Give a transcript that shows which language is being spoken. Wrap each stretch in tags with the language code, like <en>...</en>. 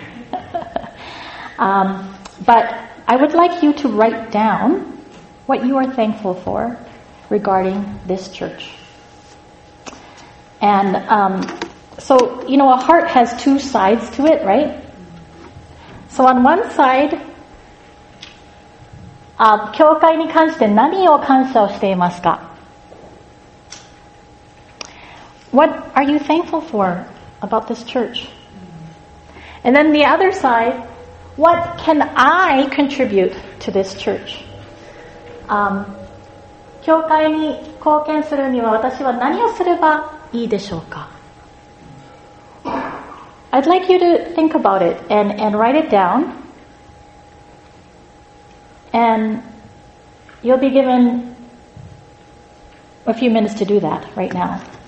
<en>but I would like you to write down what you are thankful for regarding this church. And so, you know, a heart has two sides to it, right? So on one side,</en> <ja>教会に関して何を感謝をしていますか?</ja> <en>What are you thankful for about this church? And then the other side, what can I contribute to this church?</en> <ja>教会に貢献するには私は何をすればいいでしょうか?</ja> <en>I'd like you to think about it and write it down. And you'll be given a few minutes to do that right now.</en>